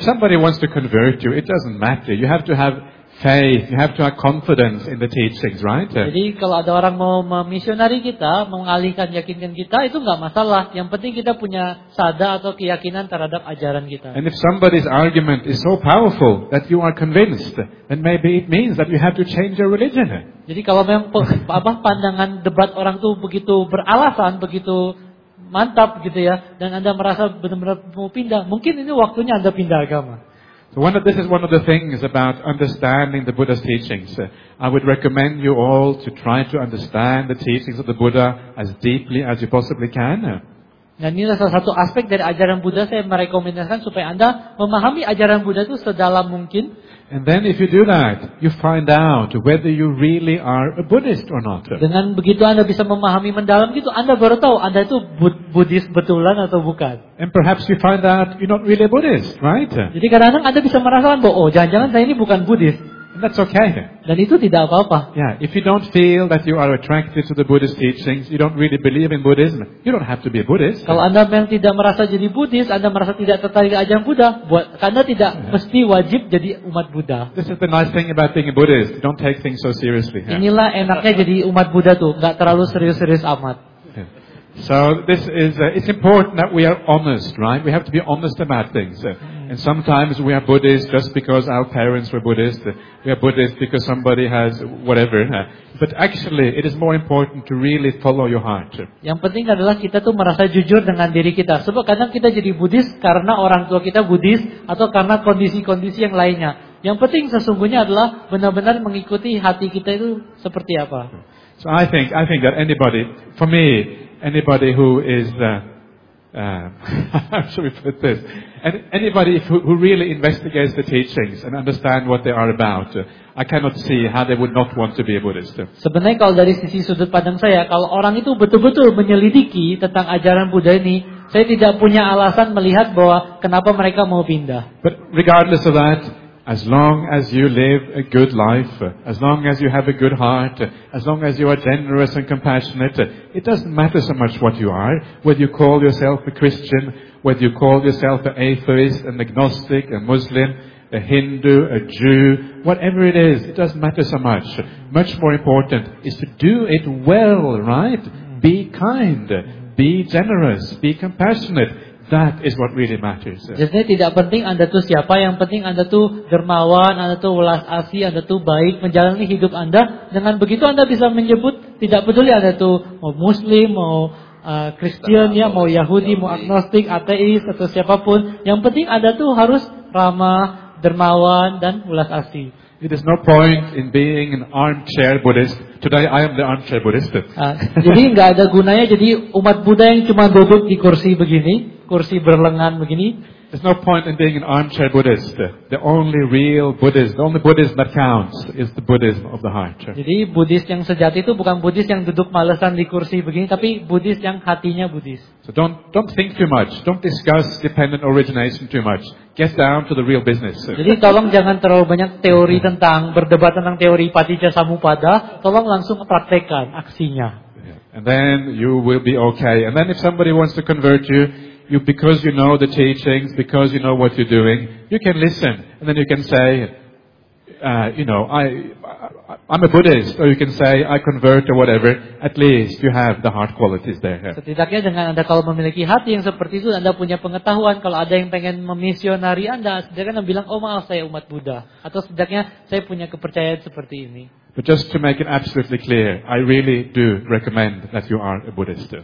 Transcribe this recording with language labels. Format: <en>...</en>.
<en>If somebody wants to convert you, it doesn't matter. You have to have faith. You have to have confidence in the teachings, right?</en> <id>Jadi kalau ada orang mau memisionari kita, mengalihkan yakinan kita, itu enggak masalah. Yang penting kita punya sada atau keyakinan terhadap ajaran kita.</id> <en>And if somebody's argument is so powerful that you are convinced, then maybe it means that you have to change your religion.</en> <id>Jadi kalau memang pandangan debat orang itu begitu beralasan, begitu mantap gitu ya, dan Anda merasa benar-benar mau pindah, mungkin ini waktunya Anda pindah agama.</id> <en>So this is one of the things about understanding the Buddha's teachings. I would recommend you all to try to understand the teachings of the Buddha as deeply as you possibly can.</en> <id>Dan ini salah satu aspek dari ajaran Buddha, saya merekomendasikan supaya Anda memahami ajaran Buddha itu sedalam mungkin.</id> <en>And then if you do that, you find out whether you really are a Buddhist or not.</en> <id>Dengan begitu Anda bisa memahami mendalam gitu, Anda baru tahu Anda itu Buddhist betulan atau bukan.</id> <en>And perhaps you find out you're not really a Buddhist, right?</en> <id>Jadi kadang-kadang Anda bisa merasakan bahwa, oh jangan-jangan saya ini bukan Buddhist.</id> <en>And that's okay.</en> <id>Dan itu tidak apa-apa.</id> <en>Yeah, if you don't feel that you are attracted to the Buddhist teachings, you don't really believe in Buddhism, you don't have to be a Buddhist.</en> <id>Kalau Anda memang tidak merasa jadi Buddhist, Anda merasa tidak tertarik ajaran Buddha, buat karena tidak mesti wajib jadi umat Buddha.</id> <en>This is the nice thing about being a Buddhist. You don't take things so seriously.</en> <id>Yeah. Inilah enaknya jadi umat Buddha tuh, enggak terlalu serius-serius amat.</id> <en>So this is it's important that we are honest, right? We have to be honest about things. And sometimes we are Buddhist just because our parents were Buddhist. We are Buddhist because somebody has whatever. But actually it is more important to really follow your heart.</en> <id>Yang penting adalah kita tuh merasa jujur dengan diri kita. Sebab kadang kita jadi Buddhist karena orang tua kita Buddhist atau karena kondisi-kondisi yang lainnya. Yang penting sesungguhnya adalah benar-benar mengikuti hati kita itu seperti apa.</id> <en>So I think that anybody, for me, anybody who is how should we put this? Anybody who really investigates the teachings and understand what they are about, I cannot see how they would not want to be a Buddhist.</en> <id>Sebenarnya kalau dari sisi sudut pandang saya, kalau orang itu betul-betul menyelidiki tentang ajaran Buddha ini, saya tidak punya alasan melihat bahwa kenapa mereka mau pindah.</id> <en>But regardless of that, as long as you live a good life, as long as you have a good heart, as long as you are generous and compassionate, it doesn't matter so much what you are, whether you call yourself a Christian, whether you call yourself an atheist, an agnostic, a Muslim, a Hindu, a Jew, whatever it is, it doesn't matter so much. Much more important is to do it well, right? Be kind, be generous, be compassionate. That is what really matters.</en> <id>Jadi tidak penting Anda tuh siapa, yang penting Anda tuh dermawan, Anda tuh welas asih, Anda tuh baik menjalani hidup Anda. Dengan begitu Anda bisa menyebut, tidak peduli Anda tuh mau Muslim, mau Kristen, ya, mau Yahudi, mau agnostik, ateis atau siapapun. Yang penting Anda tuh harus ramah, dermawan dan welas asih.</id> <en>It is no point in being an armchair Buddhist. Today I am the armchair Buddhist.</en> <id>Jadi enggak ada gunanya jadi umat Buddha yang cuma duduk di kursi begini, kursi berlengan begini.</id> <en>There's no point in being an armchair Buddhist. The only real Buddhist, the only Buddhist that counts is the Buddhism of the heart.</en> <id>Jadi Buddhist yang sejati itu bukan Buddhist yang duduk malesan di kursi begini, tapi Buddhist yang hatinya Buddhist.</id> <en>So don't think too much. Don't discuss dependent origination too much. Get down to the real business.</en> <id>Jadi tolong jangan terlalu banyak teori tentang, berdebat tentang teori Paticca Samuppada. Tolong langsung praktekkan aksinya.</id> <en>And then you will be okay. And then if somebody wants to convert you, you, because you know the teachings, because you know what you're doing, you can listen, and then you can say, I'm a Buddhist, or you can say I convert or whatever. At least you have the heart qualities there.</en> <id>Setidaknya dengan Anda kalau memiliki hati yang seperti itu, Anda punya pengetahuan. Kalau ada yang pengen memisionari Anda, setidaknya Anda bilang, oh maaf, saya umat Buddha, atau setidaknya saya punya kepercayaan seperti ini.</id> <en>But just to make it absolutely clear, I really do recommend that you are a Buddhist.</en>